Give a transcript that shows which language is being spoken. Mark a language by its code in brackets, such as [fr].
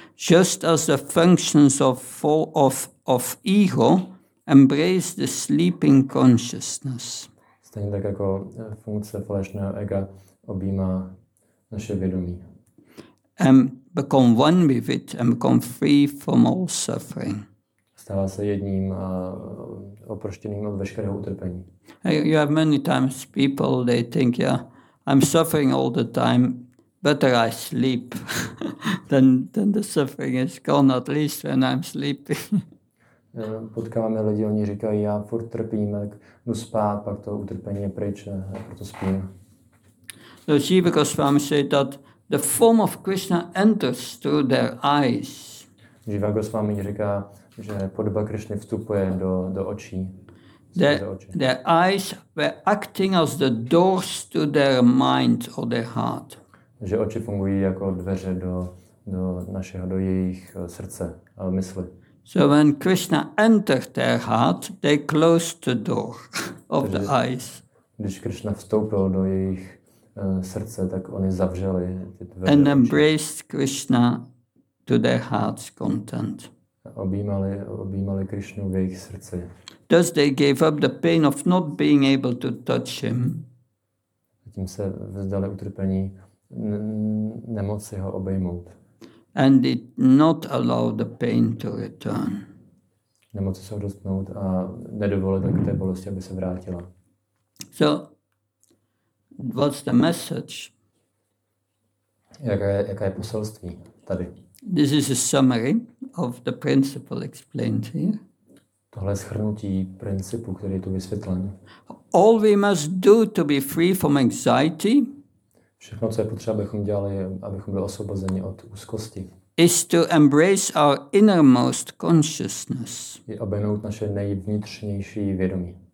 [en] Just as the functions of ego embrace the sleeping consciousness. [cs] Stejně tak jako funkce falešného ega objímá naše vědomí. [en] And become one with it and become free from all suffering. [cs] Stává se jedním a oproštěným od veškerého utrpení. [en] You have many times people, they think, I'm suffering all the time, better I sleep, then the suffering is gone, at least when I'm sleeping. [cs] Potkáváme lidi, oni říkají, já furt trpím, jak jdu spát, pak to utrpení je pryč, proto spím. [en] So Jiva Goswami said that the form of Krishna enters through their eyes. [cs] Jiva Goswami říká, že podoba Krishny vstupuje do očí. [en] Their eyes were acting as the doors to their mind or their heart. [cs] Že oči fungují jako dveře do našeho, do jejich srdce a mysli. [en] So when Krishna entered their heart, they closed the door of the eyes. [cs] Když Krishna vstoupil do jejich srdce, tak oni zavřeli ty dveře. [en] And embraced Krishna to their heart's content. [cs] Objímali Krishnu v jejich srdci. [en] Thus they gave up the pain of not being able to touch him. [cs] Tím se vzdali utrpení nemoci ho obejmout. [en] And did not allow the pain to return. [cs] Nemoci se odstnout a nedovolit k té bolesti, aby se vrátila. [en] So, what's the message? [cs] Jaké je poselství tady? [en] This is a summary of the principle explained here. [cs] Tohle je shrnutí principu, který je tu vysvětlen. [en] All we must do to be free from anxiety. [cs] Všechno, co je potřeba, abychom dělali, abychom byli osvobozeni od úzkosti. [en] Is to embrace our innermost consciousness. [cs] Je obejmout naše nejvnitřnější vědomí.